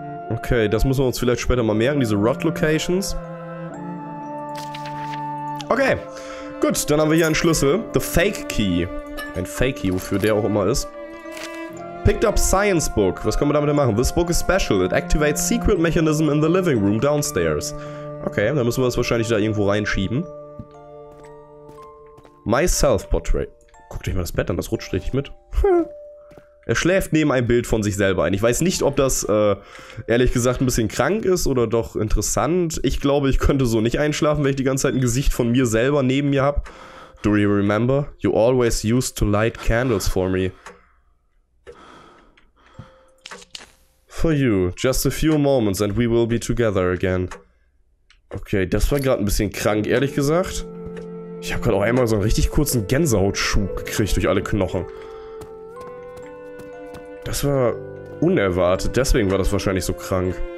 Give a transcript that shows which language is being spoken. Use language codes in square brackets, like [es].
[de] Okay, das müssen wir uns vielleicht später mal merken, diese Rot Locations. Okay, gut, dann haben wir hier einen Schlüssel. [en] The Fake Key. [de] Ein Fake Key, wofür der auch immer ist. [en] Picked up science book. [de] Was können wir damit denn machen? [en] This book is special. It activates secret mechanism in the living room downstairs. [de] Okay, dann müssen wir das wahrscheinlich da irgendwo reinschieben. [en] My self-portrait. [de] Guck dir mal das Bett an, das rutscht richtig mit. Er schläft neben ein Bild von sich selber ein. Ich weiß nicht, ob das ehrlich gesagt ein bisschen krank ist oder doch interessant. Ich glaube, ich könnte so nicht einschlafen, wenn ich die ganze Zeit ein Gesicht von mir selber neben mir habe. [en] Do you remember? You always used to light candles for me. For you, just a few moments and we will be together again. [de] Okay, das war gerade ein bisschen krank, ehrlich gesagt. Ich habe gerade auch einmal so einen richtig kurzen Gänsehautschub gekriegt durch alle Knochen. Das war unerwartet, deswegen war das wahrscheinlich so krank.